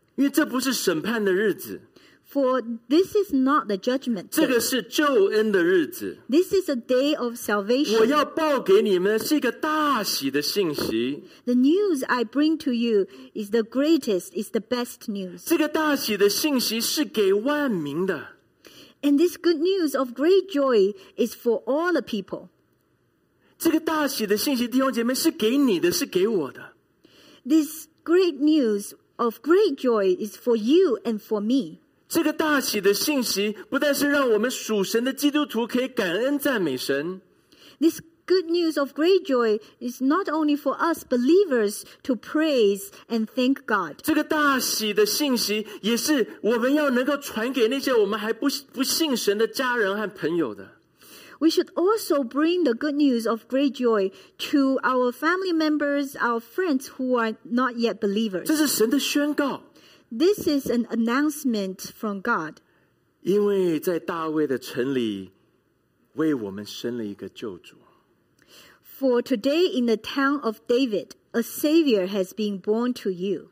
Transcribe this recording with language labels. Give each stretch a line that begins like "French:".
Chinese: 因为这不是审判的日子。
English: For this is not the judgment day.
Chinese: 这个是救恩的日子。
English: This is a day of salvation.
Chinese: 我要报给你们是一个大喜的信息。
English: The news I bring to you is the greatest, is the best news.
Chinese: 这个大喜的信息是给万民的。
English: And this good news of great joy is for all the people.
Chinese: 这个大喜的信息，弟兄姐妹，是给你的，是给我的。
English: This great news of great joy is for you and for me.
Chinese: 这个大喜的信息不但是让我们属神的基督徒可以感恩赞美神。
English: This good news of great joy is not only for us believers to praise and thank God.
Chinese: 这个大喜的信息也是我们要能够传给那些我们还不信神的家人和朋友的。
English: We should also bring the good news of great joy to our family members, our friends who are not yet believers.
Chinese: 这是神的宣告。
English: This is an announcement from God.
Chinese: 因为在大卫的城里为我们生了一个救主。
English: For today in the town of David, a Savior has been born to you.